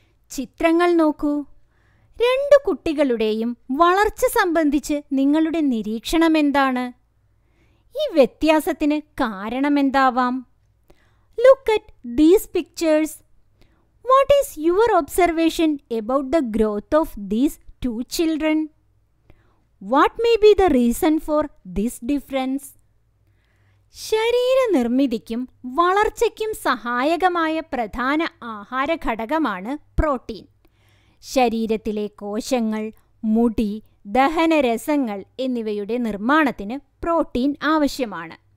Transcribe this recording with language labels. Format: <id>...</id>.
<ml>ചിത്രങ്ങൾ നോക്കൂ. രണ്ടു കുട്ടികളുടെയും വളർച്ച സംബന്ധിച്ച് നിങ്ങളുടെ നിരീക്ഷണം എന്താണ്? ഈ വ്യത്യാസത്തിന് കാരണം എന്താവാം?</ml> <en>Look at these pictures. What is your observation about the growth of these two children? What may be the reason for this difference?</en> <ml>ശരീരനിർമ്മിതിക്കും വളർച്ചയ്ക്കും സഹായകമായ പ്രധാന ആഹാര ഘടകമാണ് പ്രോട്ടീൻ. ശരീരത്തിലെ കോശങ്ങൾ, മുടി, ദഹനരസങ്ങൾ എന്നിവയുടെ നിർമ്മാണത്തിന് പ്രോട്ടീൻ ആവശ്യമാണ്.</ml>